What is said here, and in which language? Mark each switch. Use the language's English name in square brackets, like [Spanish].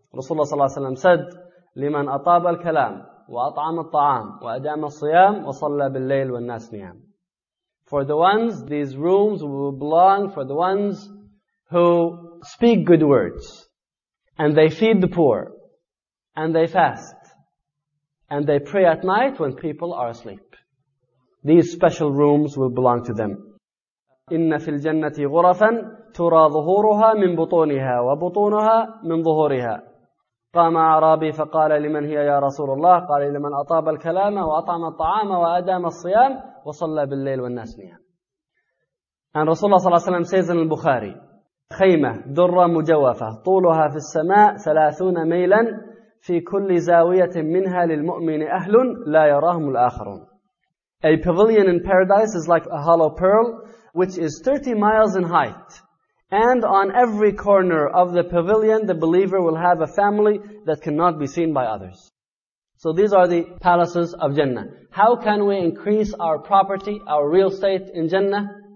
[Arabic] Rasulullah sallallahu alayhi wa sallam [English] said, [Arabic] لِمَنْ أَطَابَ الْكَلَامِ وَأَطْعَمَ الطَّعَامِ وَأَدَامَ الصِّيَامِ وَصَلَّى بِالْلَّيْلِ وَالنَّاسِ نِيَامِ. [English] For the ones, these rooms will belong for the ones who speak good words, and they feed the poor, and they fast, and they pray at night when people are asleep. These special rooms will belong to them. [Arabic] إِنَّ فِي الْجَنَّةِ غُرَفًا تُرَى ظُهُورُهَا مِنْ بُطُونِهَا وَبُطُونُهَا مِنْ ظُهُورِهَا. قام أعرابي فقال لمن هي يا رسول الله قال لمن أطاب الكلام وأطعم الطعام وأدام الصيام وصلى بالليل والناس نيام. And Rasulullah صلى الله عليه وسلم [English] says in [Arabic] البخاري, خيمة درة مجوفة طولها في السماء 30 ميلا في كل زاوية منها للمؤمن أهل لا يراهم الآخرون. [English] A pavilion in paradise is like a hollow pearl which is 30 miles in height. And on every corner of the pavilion, the believer will have a family that cannot be seen by others. So these are the palaces of Jannah. How can we increase our property, our real estate in Jannah?